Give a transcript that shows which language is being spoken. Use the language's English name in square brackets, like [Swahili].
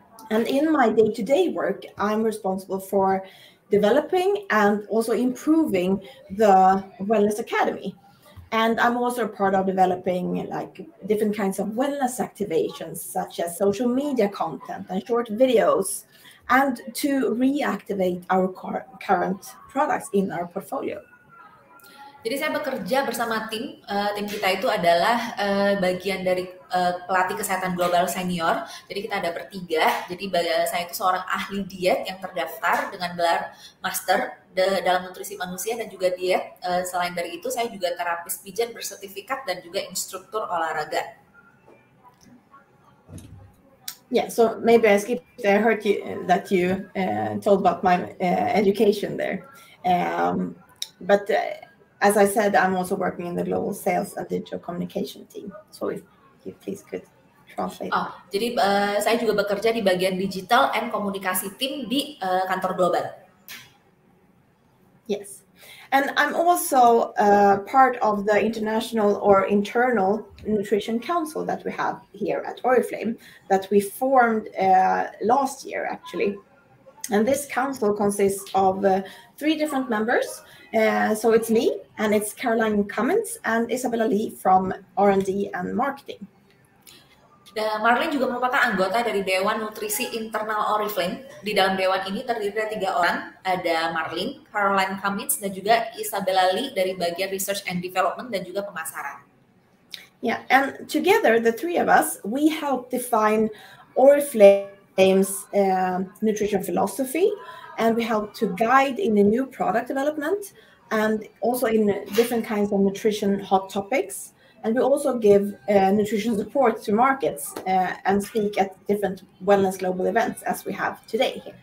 [English] And in my day-to-day work, I'm responsible for developing and also improving the Wellness Academy. And I'm also a part of developing like different kinds of wellness activations, such as social media content and short videos, and to reactivate our current products in our portfolio. [Indonesian] Jadi saya bekerja bersama tim, tim kita itu adalah bagian dari pelatih kesehatan global senior. Jadi kita ada bertiga, jadi saya itu seorang ahli diet yang terdaftar dengan gelar master dalam nutrisi manusia dan juga diet. Selain dari itu, saya juga terapis pijat bersertifikat dan juga instruktur olahraga. [English] Yeah, so maybe I skipped. I heard you, that you told about my education there. But as I said, I'm also working in the global sales and digital communication team. So if you please could translate. [Indonesian] Oh, jadi saya juga bekerja di bagian digital and komunikasi team di kantor global. [English] Yes. And I'm also part of the international or internal nutrition council that we have here at Oriflame that we formed last year, actually. And this council consists of three different members. So it's me, and it's Caroline Cummins and Isabella Lee from R&D and marketing. [Indonesian] Marlene juga merupakan anggota dari Dewan Nutrisi Internal Oriflame. Di dalam Dewan ini terdiri dari tiga orang, ada Marlene, Caroline Cummins, dan juga Isabella Lee dari bagian Research and Development dan juga pemasaran. [English] Yeah, and together, the three of us, we help define Oriflame's nutrition philosophy, and we help to guide in the new product development, and also in different kinds of nutrition hot topics. And we also give nutrition support to markets and speak at different wellness global events as we have today.